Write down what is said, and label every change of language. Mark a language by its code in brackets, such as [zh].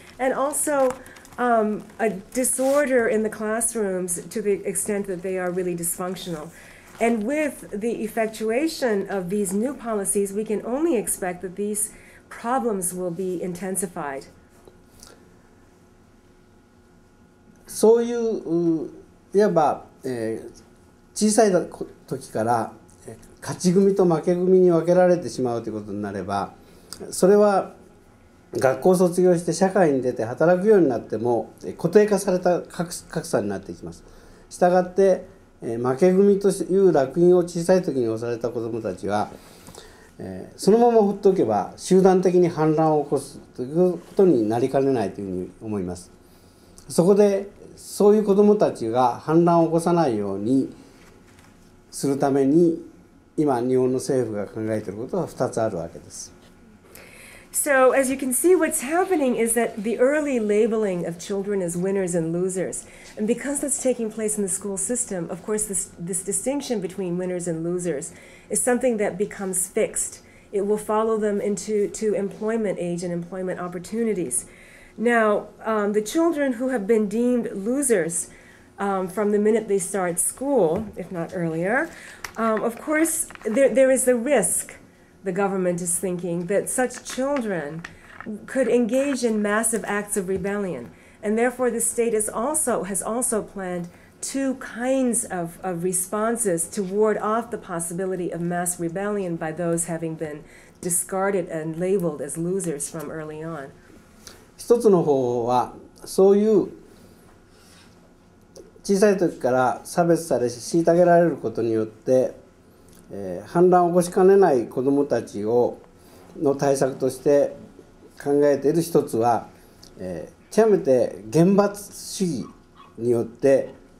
[en] And also, a disorder in the classrooms to the extent that they are really dysfunctional. And with the effectuation of these new policies, we can only expect that these problems will be intensified. [ja] そういう、いわば、小さい時から勝ち組と負け組に分けられてしまうということになれば、それは学校を卒業して社会に出て働くようになっても固定化された格差になっていきます。したがって負け組という烙印を小さい時に押された子どもたちは、そのまま放っておけば集団的に反乱を起こすということになりかねないというふうに思います。そこでそういう子どもたちが反乱を起こさないようにするために、今日本の政府が考えていることは2つあるわけです。 [en] So as you can see, what's happening is that the early labeling of children as winners and losers, and because that's taking place in the school system, of course this distinction between winners and losers is something that becomes fixed. It will follow them into employment age and employment opportunities. Now, the children who have been deemed losers from the minute they start school, if not earlier, of course there is the risk, the government is thinking, that such children could engage in massive acts of rebellion. And therefore, the state has also planned two kinds of responses to ward off the possibility of mass rebellion by those having been discarded and labeled as losers from early on. [ja] 一つの方法は、そういう小さい時から差別され、虐げられることによって、反乱を起こしかねない子どもたちをの対策として考えている一つは、極めて厳罰主義によって